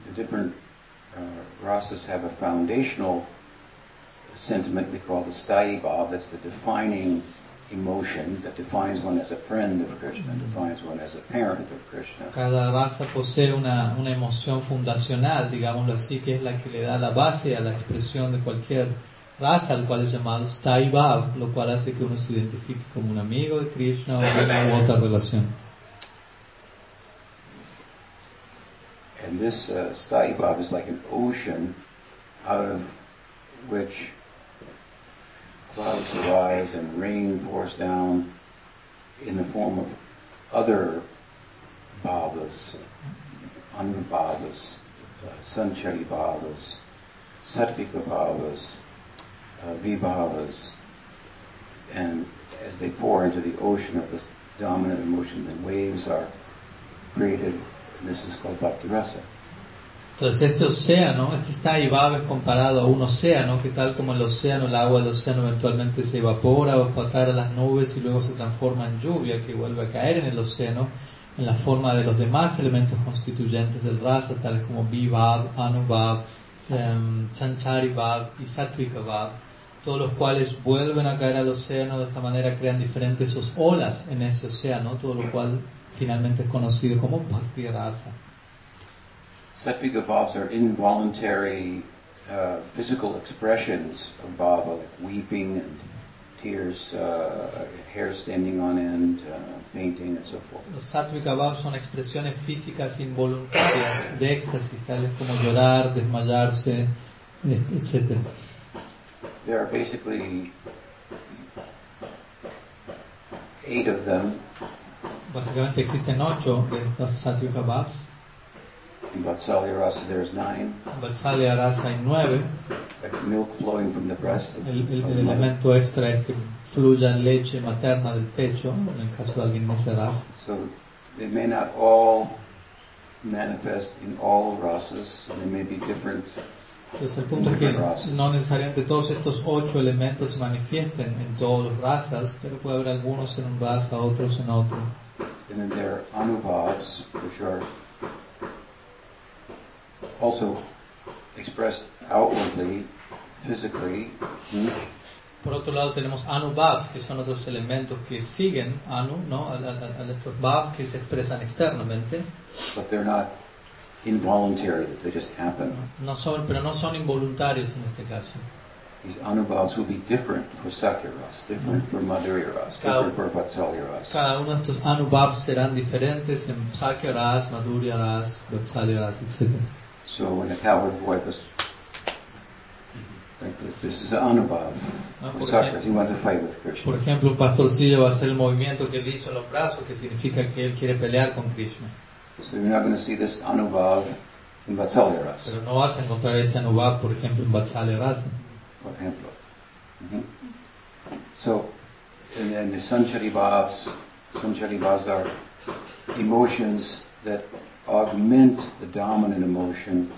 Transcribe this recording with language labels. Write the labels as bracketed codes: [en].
[en] The different rasas have a foundational sentiment we call the sthayi bhav, that's the defining emotion that defines one as a friend of Krishna, defines one as a parent of Krishna. [es] Cada raza posee una emoción fundacional, digámoslo así, que es la que le da la base a la expresión de cualquier raza, al cual es llamado sthayi bhav, lo cual hace que uno se identifique como un amigo de Krishna o de una u otra relación. [en] And this sthayi bhav is like an ocean out of which clouds arise and rain pours down in the form of other bhavas, anubhavas, sanchari bhavas, sattvika bhavas, vibhavas, and as they pour into the ocean of the dominant emotion, then waves are created, and this is called bhakti rasa. [es] Entonces este océano, este sthayi bhav es comparado a un océano, que tal como el océano, el agua del océano eventualmente se evapora o patara las nubes y luego se transforma en lluvia que vuelve a caer en el océano en la forma de los demás elementos constituyentes del rasa, tales como vibhav, anubhav, chanchari bhav y sattvika bhav, todos los cuales vuelven a caer al océano, de esta manera crean diferentes olas en ese océano, todo lo cual finalmente es conocido como bhakti rasa. [en] Sattvika bhavas are involuntary physical expressions of bhava, like weeping and tears, hair standing on end, fainting, and so forth. [es] Sattvika bhavas son expresiones físicas involuntarias de éxtasis, tales como llorar, desmayarse, etc. [en] There are basically eight of them. [es] Básicamente existen ocho de estas sattvika bhavas. [en] In Vatsalya Rasa there is nine. [es] Vatsalya Rasa hay nueve. [en] Like milk flowing from the breast. [es] El elemento extra es que fluya leche materna del pecho, en el caso de alguien en esa rasa. [en] So they may not all manifest in all rasas. They may be different. [es] Entonces el punto es que no necesariamente todos estos ocho elementos se manifiesten en todas las razas, pero puede haber algunos en un rasa, otros en otro. [en] And then there are anubhavs, which are also expressed outwardly, physically. [es] Por otro lado tenemos anubhav, que son otros elementos que siguen anu, ¿no? A estos bhav que se expresan externamente. [en] But they're not involuntary, that they just happen. [es] No son, pero no son involuntarios en este caso. [en] these anubhavas will be different for Sakya Rasa, different for Madhurya Rasa, different for Vatsalya Rasa. [es] Cada uno de estos anubhavas serán diferentes en Sakya Rasa, Madhurya Rasa, Vatsalya Rasa, etc. [en] So when the cow would avoid this, this is anubhav. He wants to fight with Krishna. [es] Por ejemplo, pastorcillo va a hacer el movimiento que él hizo en los brazos, que significa que él quiere pelear con Krishna. [en] So you're not going to see this anubhav in Vatsalya Rasa. [es] Pero no vas a encontrar ese anubhav, por ejemplo, en Vatsalya Rasa. [en] For example. So, and then the sanchari bhavs are emotions that augment the dominant emotion.